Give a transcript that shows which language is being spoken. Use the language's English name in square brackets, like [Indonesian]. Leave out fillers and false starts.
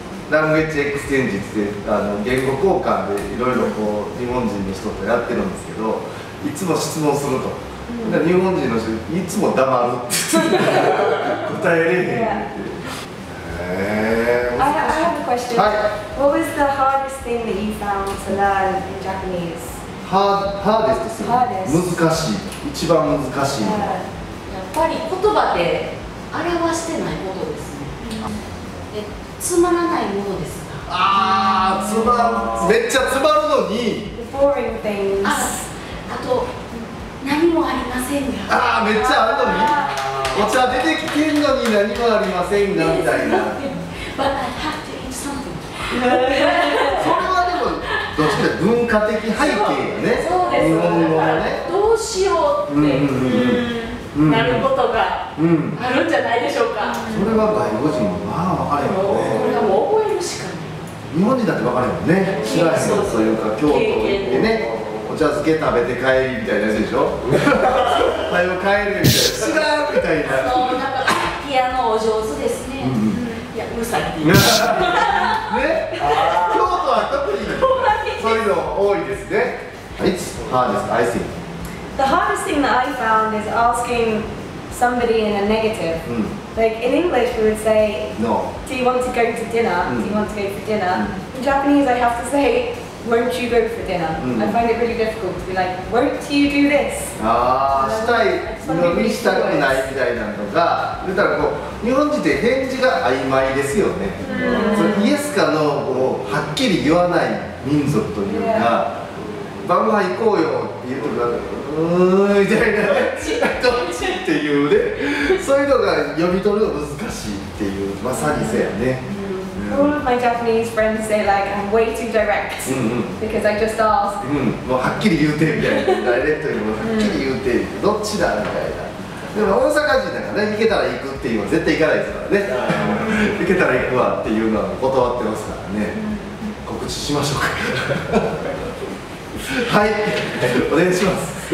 [Japanese] language exchange って言語交換でいろいろこう日本人の人とやってるんですけど、いつも質問すると、うん、日本人の人いつも黙るって答えれへんって、 [English] yeah. I have a question、 [Japanese] はい、 [English] What was the hardest thing that you found to learn in Japanese? [Japanese] Hardest ですね、hardest. 難しい、一番難しい、やっぱり言葉で表してないことですね、つまらないものですか、あー、つまる、めっちゃつまるのに、 [English] The boring things、 [Japanese] あと、何もありませんが、あー、めっちゃあるのに、お茶出てきてんのに何もありませんがみたいな、 [English] But I have to eat something [Japanese] それはでも、どうして文化的背景がね、そうです、日本語はね、どうしようって、うんうんうん、なることがあるんじゃないでしょうか、うん、それは外国人もまあ分かれへんね、これはもう覚えるしかない、日本人だって分かれへんね、知らへんというか、京都行ってね、お茶漬け食べて帰りみたいなやつでしょ、早く帰るみたいな、知らんみたいな、そう、なんかピアノお上手ですね、うん、いや、うるさいって言うね、京都は特にそういうの多いですね、 [English] It's hardest, I think The hardest thing that I found is askingSomebody in a negative.、 Mm. Like in English, we would say, No. Do you want to go to dinner?、Mm. Do you want to go for dinner?、Mm. In Japanese, I have to say, Won't you go for dinner?、Mm. I find it really difficult to be like, Won't you do this? [Japanese] Ah, したい、飲みしたくないみたいなのが、言ったらこう、日本人って返事が曖昧ですよね。 Mm. イエスかノーをはっきり言わない民族というか、 [English] yeah. [Japanese] 晩ご飯行こうよって言うときは、うーんみたいな、どっち？どっちっていうね、そういうのが読み取るの難しいっていう、まさにせやね。 [English] All of my Japanese friends say like I'm way too direct because I just ask. [Japanese] もうはっきり言うてみたいな、ダイレクトにもはっきり言うてみたいな、どっちだみたいな。でも大阪人だからね、行けたら行くっていうのは絶対行かないですからね。行けたら行くわっていうのは断ってますからね。告知しましょうか。はい、お願いします。